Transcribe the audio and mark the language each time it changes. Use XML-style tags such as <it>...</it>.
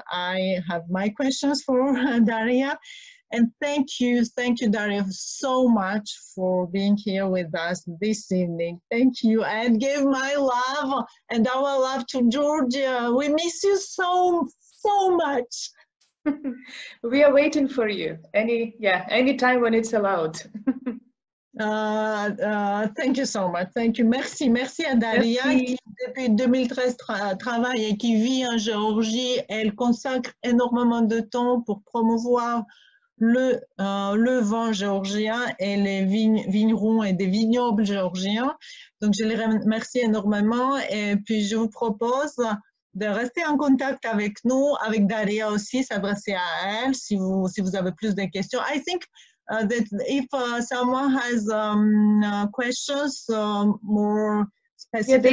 <en>I have my questions for Daria. And thank you, Daria, so much for being here with us this evening. Thank you, and give my love and our love to Georgia. We miss you so much. We are waiting for you anytime when it's allowed. Thank you so much. Thank you.</en> <fr>Merci à Daria, qui depuis 2013 travaille et qui vit en Géorgie. Elle consacre énormément de temps pour promouvoir le vin géorgien et les vignerons et des vignobles géorgiens. Donc je les remercie énormément, et puis je vous propose de rester en contact avec nous, avec Daria aussi, s'adresser à elle si vous avez plus de questions.</fr> <en>I think that if someone has questions, more specific,</en>